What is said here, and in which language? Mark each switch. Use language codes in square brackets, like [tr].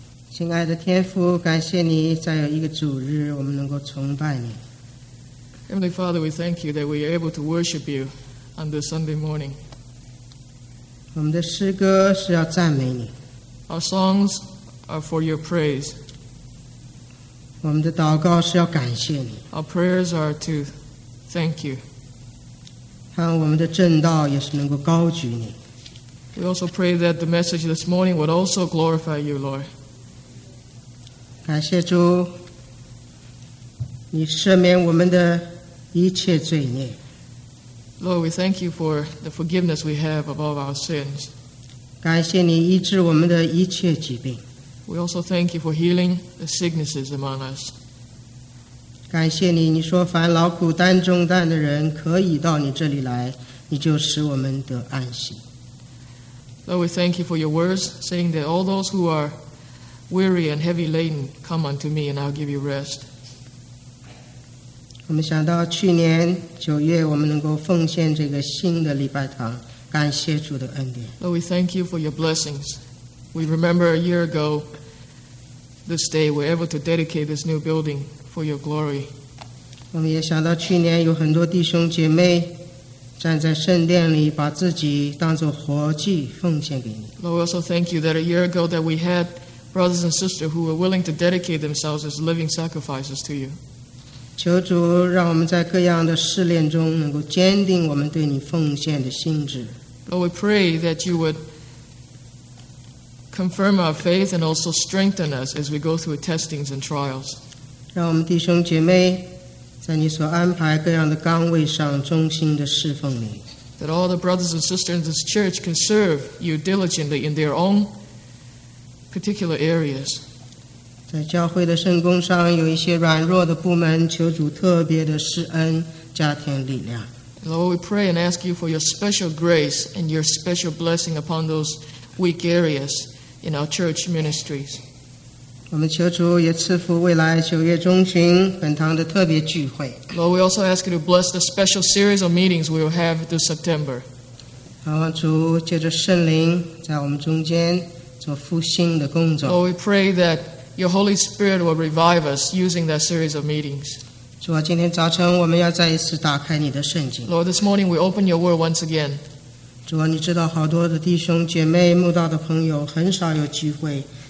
[zh] 亲爱的天父，感谢你再有一个主日，我们能够崇拜你。 [en] Heavenly Father, we thank you that we are able to worship you on this Sunday morning. [zh] 我们的诗歌是要赞美你。 [en] Our songs are for your praise. [zh] 我们的祷告是要感谢你。 [en] Our prayers are to thank you. [zh] 看我们的正道也是能够高举你。 [en] We also pray that the message this morning would also glorify you, Lord. [zh] 感谢主，你赦免我们的一切罪孽。 [en] Lord, we thank you for the forgiveness we have of all our sins. [zh] 感谢你医治我们的一切疾病。 [en] We also thank you for healing the sicknesses among us. [zh] 感谢你，你说凡劳苦担重担的人可以到你这里来，你就使我们得安息。 [en] Lord, we thank you for your words, saying that all those who are weary and heavy laden, come unto me, and I'll give you rest. [zh] 我们想到去年九月，我们能够奉献这个新的礼拜堂，感谢主的恩典。 [en] Lord, we thank you for your blessings. We remember a year ago, this day, we're able to dedicate this new building. For your glory. [zh] 我们也想到去年有很多弟兄姐妹站在圣殿里，把自己当作活祭奉献给你。 [en] Lord, we also thank you that a year ago that we had brothers and sisters who were willing to dedicate themselves as living sacrifices to you. [zh] 求主让我们在各样的试炼中能够坚定我们对你奉献的心志。 [en] Lord, we pray that you would confirm our faith and also strengthen us as we go through testings and trials. [zh] 让我们弟兄姐妹在你所安排各样的岗位上忠心地侍奉你。 [en] That all the brothers and sisters in this church can serve you diligently in their own particular areas. [zh] 在教会的圣工上有一些软弱的部门，求主特别的施恩，加添力量。 [en] Lord, we pray and ask you for your special grace and your special blessing upon those weak areas in our church ministries. [zh] 我们求主也赐福未来九月中旬本堂的特别聚会。 [en] Lord, we also ask you to bless the special series of meetings we will have this September. [zh] 盼望主借着圣灵在我们中间做复兴的工作。 [en] Lord, we pray that your Holy Spirit will revive us using that series of meetings. [zh] 主啊，今天早晨我们要再一次打开你的圣经。 [en] Lord, this morning we open your word once again. [zh] 主啊，你知道好多的弟兄姐妹、慕道的朋友很少有机会。